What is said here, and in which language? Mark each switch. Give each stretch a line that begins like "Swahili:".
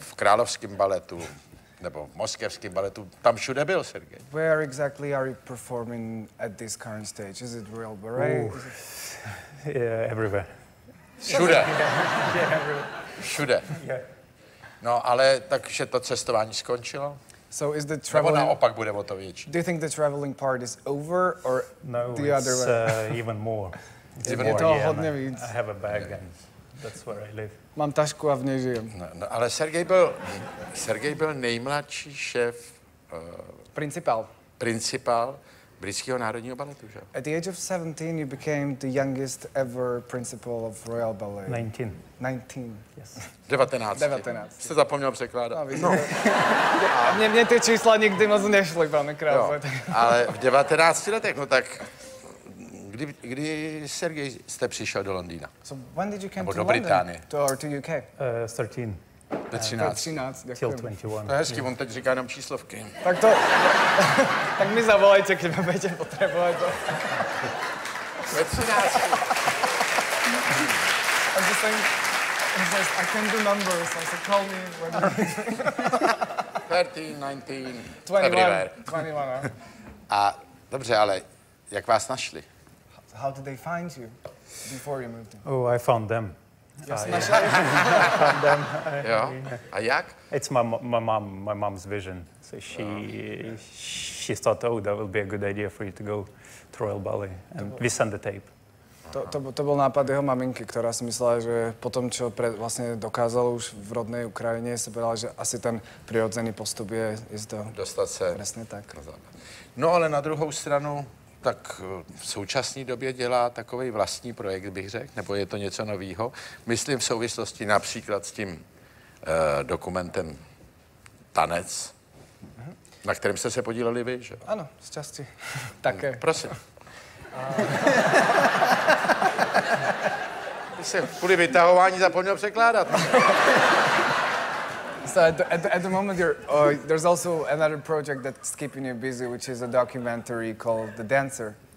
Czech: V Královském baletu, nebo v Moskevském baletu. Tam všude byl, Sergej.
English: Where exactly are you performing at this current stage? Is it Royal Beret? Yeah, everywhere.
Czech: Všude.
English: Yeah, everywhere.
Czech: Všude.
English: Yeah.
Czech: No, ale takže to cestování skončilo?
English: So is the traveling?
Czech: Naopak bude o to víc.
English: Do you think the traveling part is over or no, the other way? Even more. It's even more. Yeah,
Czech: hodně víc.
English: I have a bag, yeah. And that's where I live.
Czech: Mám tašku a v ní žijem. No, ale Sergej byl nejmladší šéf. Principál. Principál britského národního baletu, že?
English: At the age of 17, you became the youngest ever principal of Royal Ballet. 19. 19. Yes. 19.
Czech: Jste zapomněl překládat. No. Mně ty čísla nikdy moc nešly, pane Krause. Ale v 19 letech, no tak, kdy Sergej, jste přišel do Londýna?
English: So when did you come
Czech: nebo
English: to
Czech: do Británie?
English: London, or to UK? 13.
Czech: Ve 13. 13, děkuji.
English: Till 21.
Czech: To je hezký, on teď říká jenom číslovky. Tak to, tak mi zavolejte, kdyby mě tě potřebovat. Ve 13.
English: I'm just saying, I can do numbers, so call me when you... 13, 19, 21. Everywhere. 21,
Czech: A dobře, ale jak vás našli?
English: How did they find you before you moved in? Oh, I found them. Yes,
Czech: jo. A jak?
English: It's my mom's vision. So she thought, oh, that will be a good idea for you to go to Royal Ballet and we send the tape.
Czech: To byl nápad jeho maminky, která si myslela, že po tom, co vlastně dokázal už v rodné Ukrajině, se byla, že asi ten přirozený postup je jisto. Dostat se. Přesně tak. No, ale na druhou stranu, tak v současné době dělá takový vlastní projekt, bych řekl, nebo je to něco novýho. Myslím v souvislosti například s tím dokumentem Tanec, na kterém jste se podíleli vy, že? Ano, z části. Také. Prosím. Ty jsi kvůli vytahování zapomněl překládat.
English: So at the moment, there's also another project that's keeping you busy, which is a documentary called The Dancer.